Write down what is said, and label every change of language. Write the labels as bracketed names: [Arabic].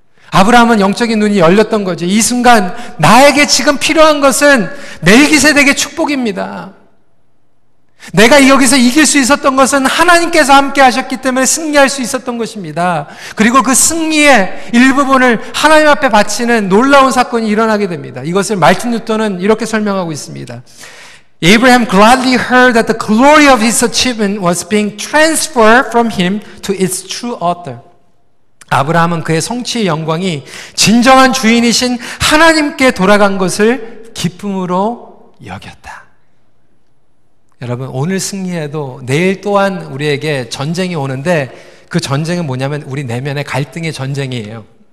[Korean] 아브라함은 영적인 눈이 열렸던 거죠. 이 순간 나에게 지금 필요한 것은 멜기세덱의 축복입니다. 내가 여기서 이길 수 있었던 것은 하나님께서 함께 하셨기 때문에 승리할 수 있었던 것입니다. 그리고 그 승리의 일부분을 하나님 앞에 바치는 놀라운 사건이 일어나게 됩니다. 이것을 말틴 루터는 이렇게 설명하고 있습니다. [English] Abraham gladly heard that the glory of his achievement was being transferred from him to its true author. [Korean] 아브라함은 그의 성취의 영광이 진정한 주인이신 하나님께 돌아간 것을 기쁨으로 여겼다. 여러분, 오늘 승리해도 내일 또한 우리에게 전쟁이 오는데 그 전쟁은 뭐냐면 우리 내면의 갈등의 전쟁이에요.